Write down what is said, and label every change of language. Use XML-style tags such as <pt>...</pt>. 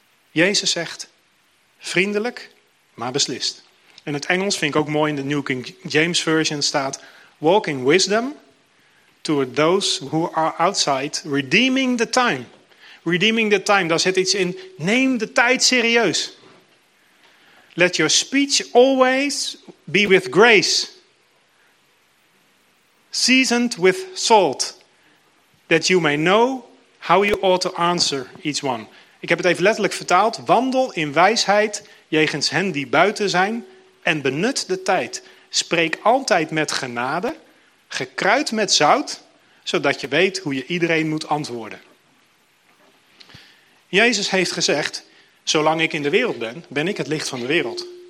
<nl>Jezus zegt, vriendelijk, maar beslist. In het Engels vind ik ook mooi, in de New King James Version staat,</nl> <en>walk in wisdom toward those who are outside, redeeming the time. Redeeming the time,</en> <nl>daar zit iets in, neem de tijd serieus.</nl> <en>Let your speech always be with grace, seasoned with salt, that you may know how you ought to answer each one.</en> <nl>Ik heb het even letterlijk vertaald. Wandel in wijsheid jegens hen die buiten zijn en benut de tijd. Spreek altijd met genade, gekruid met zout, zodat je weet hoe je iedereen moet antwoorden. Jezus heeft gezegd, zolang ik in de wereld ben, ben ik het licht van de wereld.</nl>